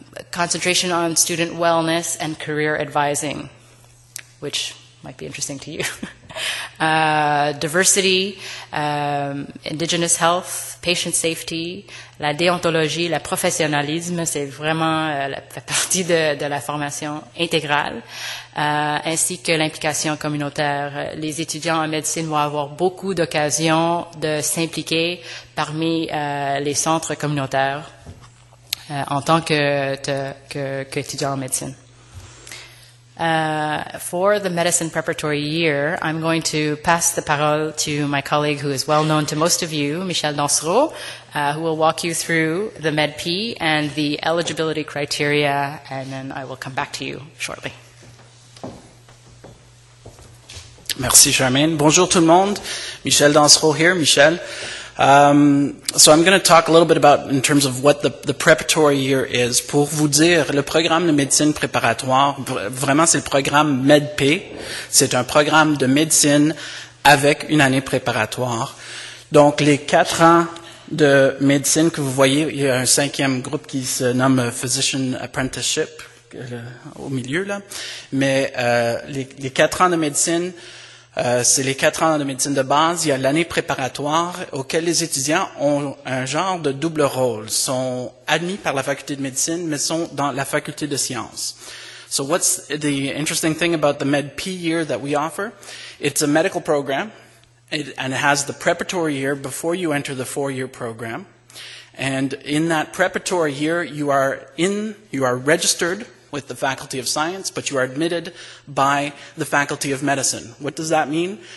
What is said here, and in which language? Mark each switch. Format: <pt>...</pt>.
<en>Concentration on student wellness and career advising, which might be interesting to you. Diversity, indigenous health, patient safety,</en> <fr>la déontologie, le professionnalisme, c'est vraiment fait partie de la formation intégrale, ainsi que l'implication communautaire. Les étudiants en médecine vont avoir beaucoup d'occasions de s'impliquer parmi les centres communautaires. En tant que étudiant en médecine.</fr> <en>For the medicine preparatory year, I'm going to pass the parole to my colleague who is well known to most of you, Michel Dansereau, who will walk you through the MedP and the eligibility criteria, and then I will come back to you shortly.</en> <fr>Merci, Charmaine. Bonjour tout le monde. Michel Dansereau here. Michel.</fr> <en>So I'm going to talk a little bit about in terms of what the preparatory year is.</en> <fr>Pour vous dire, le programme de médecine préparatoire, vraiment c'est le programme MedP, c'est un programme de médecine avec une année préparatoire. Donc les 4 ans de médecine que vous voyez, il y a un cinquième groupe qui se nomme Physician Apprenticeship au milieu là, mais les 4 ans de médecine, c'est les 4 ans de médecine de base. Il y a l'année préparatoire auquel les étudiants ont un genre de double rôle. Ils sont admis par la faculté de médecine, mais sont dans la faculté de sciences.</fr> <en>So what's the interesting thing about the MedP year that we offer? It's a medical program, and it has the preparatory year before you enter the 4-year program. And in that preparatory year, you are registered with the Faculty of Science, but you are admitted by the Faculty of Medicine. What does that mean?</en>